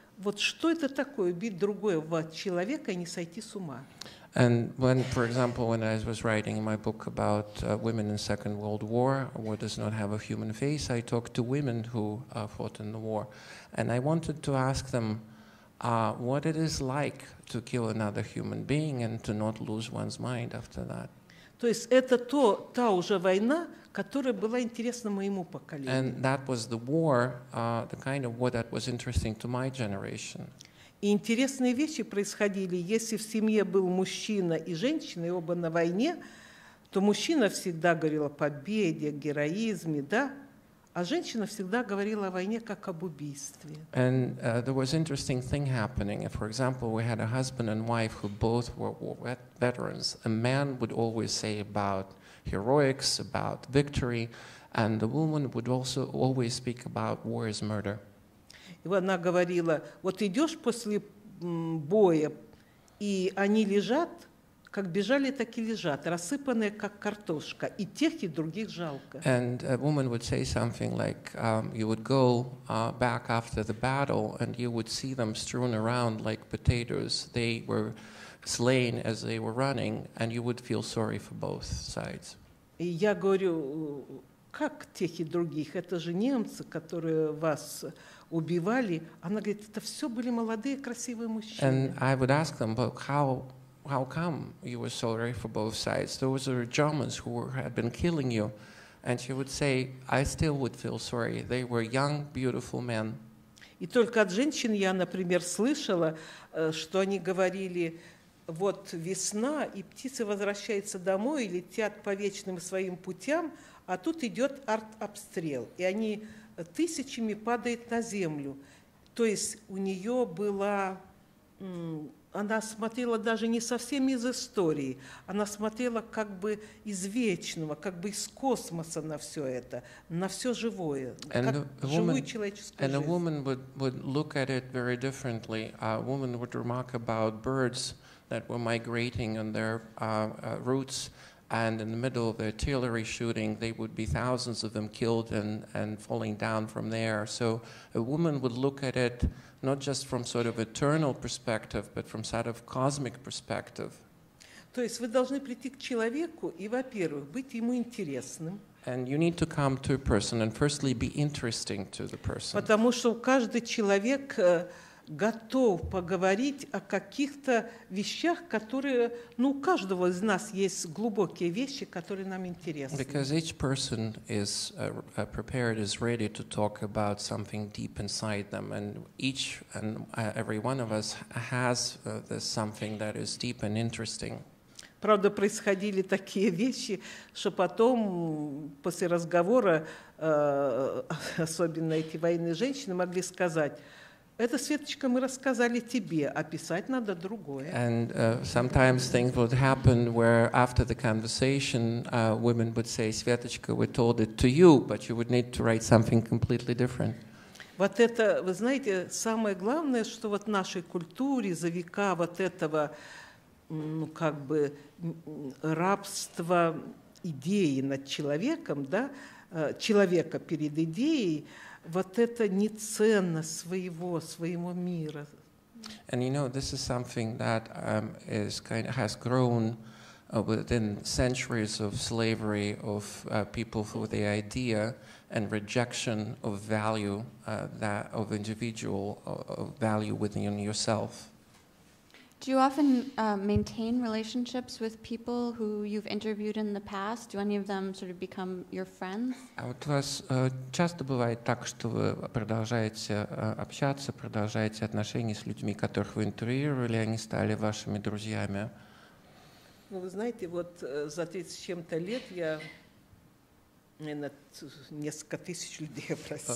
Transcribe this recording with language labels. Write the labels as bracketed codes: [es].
[ru] Вот что это такое, убить другого человека и не сойти с ума? [en] And when, for example, when I was writing my book about women in Second World War, war does not have a human face, I talked to women who fought in the war. And I wanted to ask them what it is like to kill another human being and to not lose one's mind after that. [ru] То есть это то, та уже война, которая была интересна моему поколению. [en] And that was the war, the kind of war that was interesting to my generation. [ru] И интересные вещи происходили. Если в семье был мужчина и женщина, и оба на войне, то мужчина всегда говорил о победе, героизме, да? А женщина всегда говорила о войне как об убийстве. [en] And there was an interesting thing happening. If, for example, we had a husband and wife who both were veterans, a man would always say about heroics, about victory, and the woman would also always speak about war is murder. [ru] И она говорила, вот идешь после боя, и они лежат, как бежали, так и лежат, рассыпанные, как картошка, и тех, и других жалко. [en] And a woman would say something like, you would go back after the battle, and you would see them strewn around like potatoes. They were slain as they were running, and you would feel sorry for both sides. [ru] И я говорю, как тех и других? Это же немцы, которые вас... убивали. Она говорит, это все были молодые, красивые мужчины. [en] And I would ask them, but how come you were sorry for both sides? Those are Germans who had been killing you. And she would say, I still would feel sorry. They were young, beautiful men. [ru] И только от женщин я, например, слышала, что они говорили, вот весна, и птицы возвращаются домой и летят по вечным своим путям, а тут идет артобстрел. И они... тысячами падает на землю. То есть у нее была... Она смотрела даже не совсем из истории, она смотрела как бы из вечного, как бы из космоса на все это, на все живое, [en] and [ru] как [en] woman, [ru] живую человеческую [en] and [ru] жизнь. [en] And a woman would look at it very differently. A woman would remark about birds that were migrating on their roots, and in the middle of the artillery shooting, they would be thousands of them killed and falling down from there. So a woman would look at it not just from sort of eternal perspective, but from sort of cosmic perspective. [ru] То есть вы должны прийти к человеку и, во-первых, быть ему интересным. [en] And you need to come to a person and firstly be interesting to the person. [ru] Потому что каждый человек готов поговорить о каких-то вещах, которые, ну, у каждого из нас есть глубокие вещи, которые нам интересны. [en] Because each person is prepared, is ready to talk about something deep inside them, and each and every one of us has this something that is deep and interesting. [ru] Правда, происходили такие вещи, что потом, после разговора, особенно эти военные женщины могли сказать, это, Светочка, мы рассказали тебе, а писать надо другое. [en] And sometimes things would happen where after the conversation women would say, Светочка, we told it to you, but you would need to write something completely different. [ru] Вот это, вы знаете, самое главное, что вот в нашей культуре за века вот этого, ну, как бы, рабства идеи над человеком, да, человека перед идеей, вот это не ценно своего, своего мира. [en] And you know, this is something that is kind of has grown within centuries of slavery of people for the idea and rejection of value that of individual of value within yourself. Do you often maintain relationships with people who you've interviewed in the past? Do any of them sort of become your friends? [ru] А вот у вас часто бывает так, что вы продолжаете общаться, продолжаете отношения с людьми, которых вы интервьюировали, они стали вашими друзьями? Ну, вы знаете, вот за 30 с чем-то лет я, наверное, несколько тысяч людей опросила.